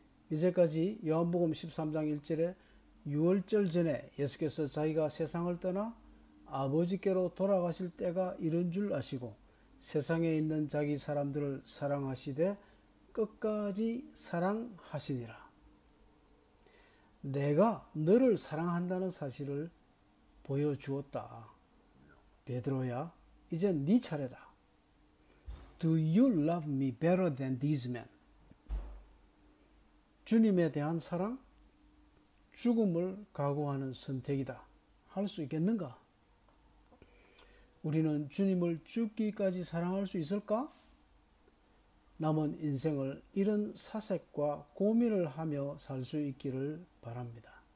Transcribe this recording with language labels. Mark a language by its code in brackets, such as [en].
[ko] 이제까지 요한복음 13장 1절에 유월절 전에 예수께서 자기가 세상을 떠나 아버지께로 돌아가실 때가 이른 줄 아시고 세상에 있는 자기 사람들을 사랑하시되 끝까지 사랑하시니라. 내가 너를 사랑한다는 사실을 보여주었다. 베드로야, 이제 네 차례다. [en] Do you love me better than these men? [ko] 주님에 대한 사랑? 죽음을 각오하는 선택이다. 할 수 있겠는가? 우리는 주님을 죽기까지 사랑할 수 있을까? 남은 인생을 이런 사색과 고민을 하며 살 수 있기를 바랍니다.